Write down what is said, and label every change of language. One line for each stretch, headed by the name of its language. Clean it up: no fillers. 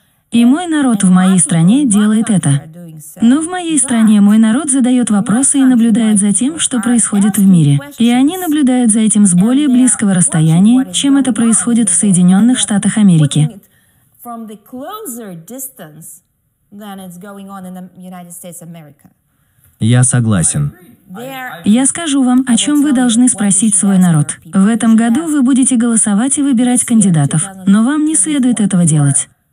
Russian: И мой народ в моей стране делает это. Но в моей стране мой народ задает вопросы и наблюдает за тем, что происходит в мире. И они наблюдают за этим с более близкого расстояния, чем это происходит в Соединенных Штатах Америки.
English: From the closer distance than it's going on in the United States of America.
Russian: Я согласен. Я скажу вам, о чем вы должны спросить свой народ. В этом году вы будете голосовать и выбирать кандидатов, но вам не следует этого делать.